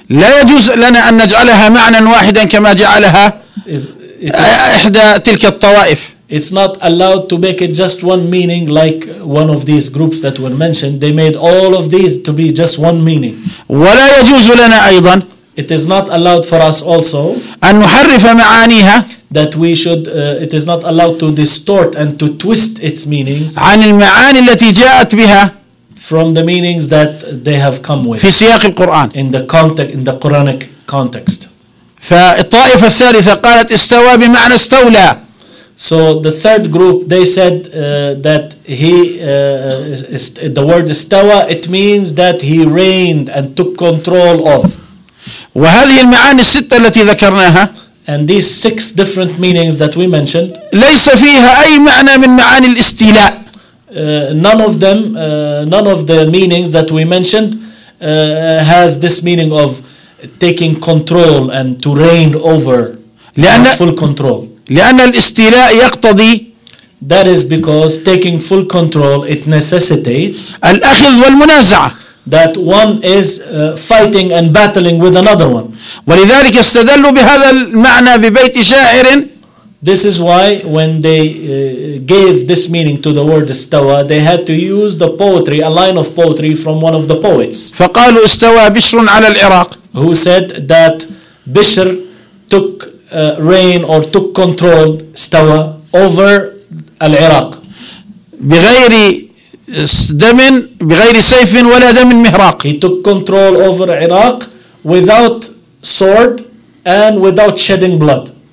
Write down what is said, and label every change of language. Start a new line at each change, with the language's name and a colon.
Arabic: لا يجوز لنا أن نجعلها معنى واحدا كما جعلها إحدى تلك الطوائف.
English: It's not allowed to make it just one meaning like one of these groups that were mentioned. They made all of these to be just one meaning.
Arabic: ولا يجوز لنا أيضا.
English: It is not allowed for us also.
Arabic: أن نحرف معانيها.
English: That we should. It is not allowed to distort and to twist its meanings.
Arabic: عن المعاني التي جاءت بها.
English: From the meanings that they have come with.
Arabic: في سياق القرآن.
English: In the context, in the Quranic context.
Arabic: فالطائفة الثالثة قالت استوى بمعنى استولى.
English: So the third group, they said that the word استوى, it means that he reigned and took control of.
Arabic: وهذه المعاني الستة التي ذكرناها
English: and these six different meanings that we mentioned
Arabic: ليس فيها أي معنى من معاني الاستيلاء
English: none of the meanings that we mentioned has this meaning of taking control and to reign over
Arabic: لأن
English: full control
Arabic: لأن الاستيلاء يقتضي
English: that is because taking full control it necessitates
Arabic: الأخذ والمنازعة
English: that one is fighting and battling with another one
Arabic: ولذلك استدلوا بهذا المعنى ببيت شاعر
English: this is why when they gave this meaning to the word استوى they had to use the poetry a line of poetry from one of the poets
Arabic: فقالوا استوى بشر على العراق
English: who said that بشر took reign or took control استوى over العراق
Arabic: بغير دم بغير سيف ولا دم مهراق
English: he took control over Iraq without sword and without shedding blood